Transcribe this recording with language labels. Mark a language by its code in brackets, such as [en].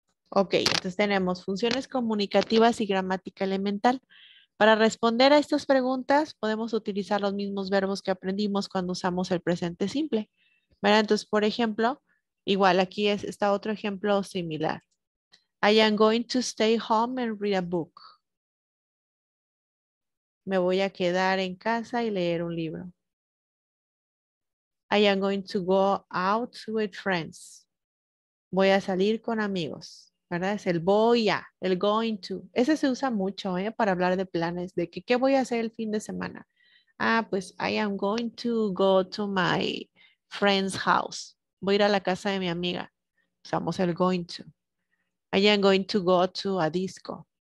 [es] Ok, entonces tenemos funciones comunicativas y gramática elemental. Para responder a estas preguntas, podemos utilizar los mismos verbos que aprendimos cuando usamos el presente simple. ¿Verdad? Entonces, por ejemplo, igual aquí está otro ejemplo similar. [en] I am going to stay home and read a book. [es] Me voy a quedar en casa y leer un libro. [en] I am going to go out with friends. [es] Voy a salir con amigos. ¿Verdad? Es el voy a, el going to. Ese se usa mucho, para hablar de planes, de que qué voy a hacer el fin de semana. [en] Ah, pues I am going to go to my friend's house. [es] Voy a ir a la casa de mi amiga. Usamos el [en] going to. I am going to go to a disco.